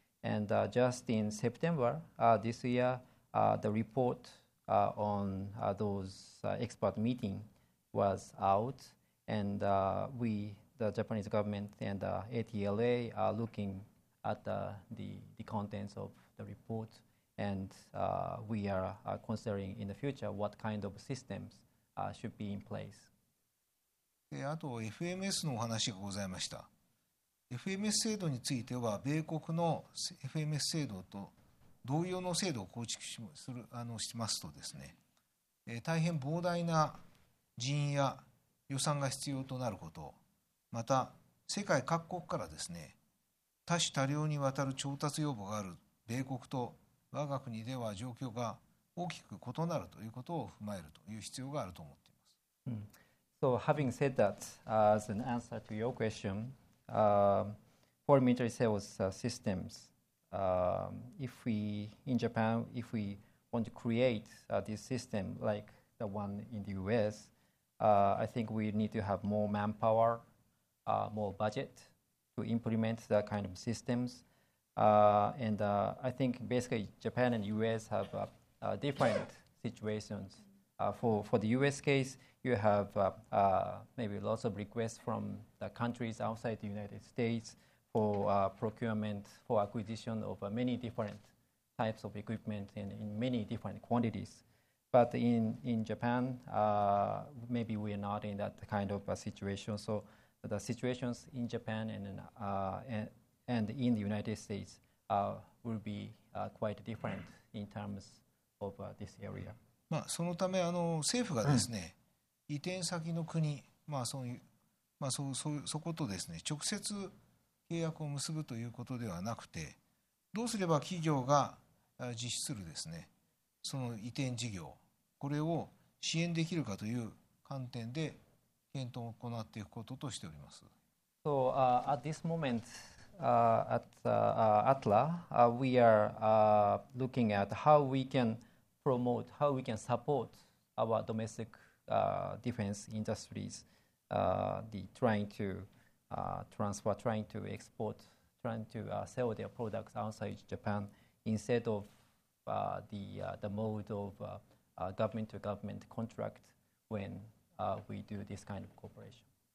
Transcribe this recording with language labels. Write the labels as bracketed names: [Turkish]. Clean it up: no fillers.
[English] And just in September this year, the report on those expert meeting was out, and we. The Japanese government and ATLA are looking at the contents of the report, and we are considering in the future what kind of systems should be in place. [Japanese] あと FMS のお話がございました。FMS 制度については米国の FMS 制度と同様の制度を構築するしますとですね、大変膨大な人員や予算が必要となること。また世界各国からですね、多種多様にわたる調達要望がある米国と我が国では状況が大きく異なるということを踏まえるという必要があると思っています。 [English] So having said that, as an answer to your question, foreign military sales systems, if we in Japan, if we want to create this system like the one in the US, I think we need to have more manpowermore budget to implement that kind of systems. I think basically Japan and US have different situations. For the US case, you have maybe lots of requests from the countries outside the United States for procurement, for acquisition of many different types of equipment and in many different quantities. But in Japan, maybe we are not in that kind of a situation. So,the situations in Japan and in the United States will be quite different in terms of this area. [Japanese] まあそのため政府がですね、移転先の国、まあそういう、まあそことですね、直接契約を結ぶということではなくて、どうすれば企業が実施するですね、その移転事業、これを支援できるかという観点で検討を行っていくこととしております。 [English] So at this moment at ATLA, we are looking at how we can promote, how we can support our domestic defense industries, trying to sell their products outside Japan instead of the mode of government to government contract whenwe do this kind of cooperation.